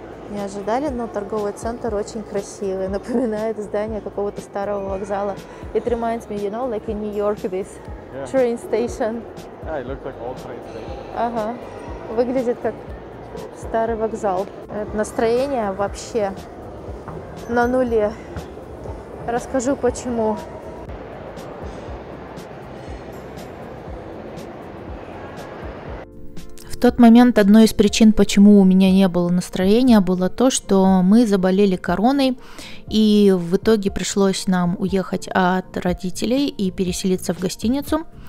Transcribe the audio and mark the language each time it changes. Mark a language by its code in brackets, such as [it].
[ru] Не ожидали, но торговый центр очень красивый. Напоминает здание какого-то старого вокзала. [en] It reminds me, you know, like in New York, this train station. Yeah, it looks like old train station. [ru] Ага. Выглядит как старый вокзал. Настроение вообще на нуле. Расскажу почему. В тот момент одной из причин, почему у меня не было настроения, было то, что мы заболели короной, и в итоге пришлось нам уехать от родителей и переселиться в гостиницу.